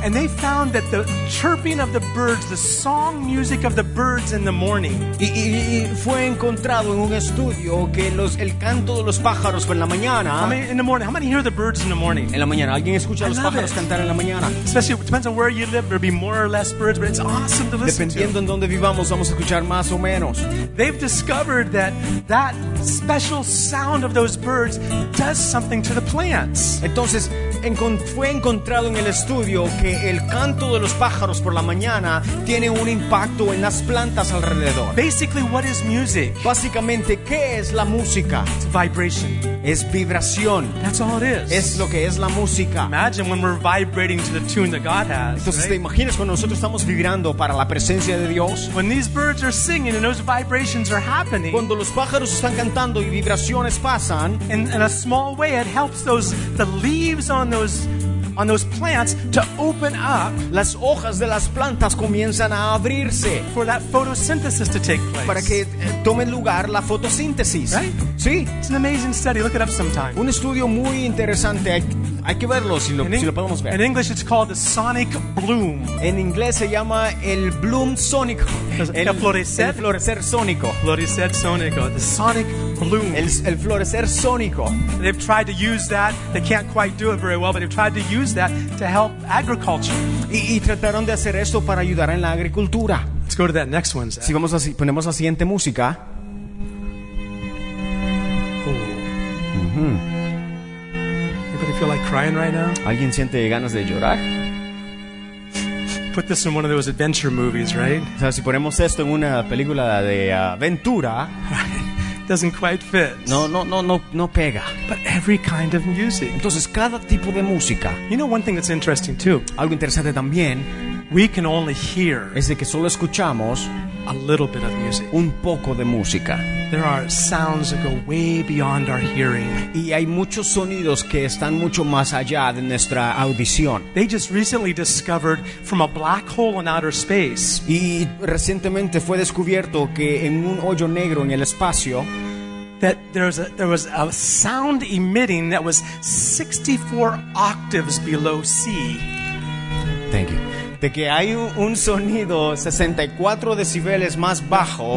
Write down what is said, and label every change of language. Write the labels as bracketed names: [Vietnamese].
[English] And they found that the chirping of the birds, the song music of the birds in the morning. [Spanish] Y fue encontrado en un estudio que el canto de los pájaros en la mañana. [English] How many in the morning? How many hear the birds in the morning? [Spanish] En la mañana, ¿alguien escucha a los pájaros cantar en la mañana? [English] Especially, it depends on where you live, there'll be more or less birds, but it's awesome to listen. [Spanish] Dependiendo en donde vivamos, vamos a escuchar más o menos. [English] They've discovered that special sound of those birds does something to the plant. [Spanish] Entonces fue encontrado en el estudio que el canto de los pájaros por la mañana tiene un impacto en las plantas alrededor. [English] Basically, what is music? [Spanish] Básicamente, ¿qué es la música? [English] It's vibration. [Spanish] Es vibración. [English] That's all it is. [Spanish] Es lo que es la música. [English] Imagine when we're vibrating to the tune that God has. [Spanish] Entonces, [English] right? [Spanish] ¿Te imaginas cuando nosotros estamos vibrando para la presencia de Dios? [English] When these birds are singing and those vibrations are happening. [Spanish] Cuando los pájaros están cantando y vibraciones pasan. [English] In a small way, it helps the leaves on those plants to open up. [Spanish] Las hojas de las plantas comienzan a abrirse [English] for that photosynthesis to take place. [Spanish] Para que tome lugar la fotosíntesis. [English] Right? [Spanish] Sí. [English] It's an amazing study. Look it up sometime. [Spanish] Un estudio muy interesante. Hay que verlo si lo, si lo podemos ver. [English] In English, it's called the sonic bloom. [Spanish] En inglés se llama el bloom sónico. El florecer. El florecer sónico. Florecer sónico. [English] The sonic bloom. [Spanish] El florecer sónico. [English] They've tried to use that. They can't quite do it very well, but they've tried to use that to help agriculture. [Spanish] Y trataron de hacer esto para ayudar en la agricultura. [English] Let's go to that next one. [Spanish] Si vamos así, ponemos la siguiente música. [English] Anybody feel like crying right now? [Spanish] ¿Alguien siente ganas de llorar? [English] Put this in one of those adventure movies, right? [Spanish] O sea, si ponemos esto en una película de aventura, [English] doesn't quite fit. [Spanish] No pega. [English] But every kind of music. [Spanish] Entonces cada tipo de música. [English] You know one thing that's interesting too. [Spanish] Algo interesante también. [English] We can only hear. [Spanish] Es de que solo escuchamos [English] a little bit of music. [Spanish] Un poco de música. [English] There are sounds that go way beyond our hearing. [Spanish] Y hay muchos sonidos que están mucho más allá de nuestra audición. [English] They just recently discovered from a black hole in outer space. [Spanish] Y recientemente fue descubierto que en un hoyo negro en el espacio [English] that there was a sound emitting that was 64 octaves below sea. Thank you. [Spanish] De que hay un sonido 64 decibeles más bajo.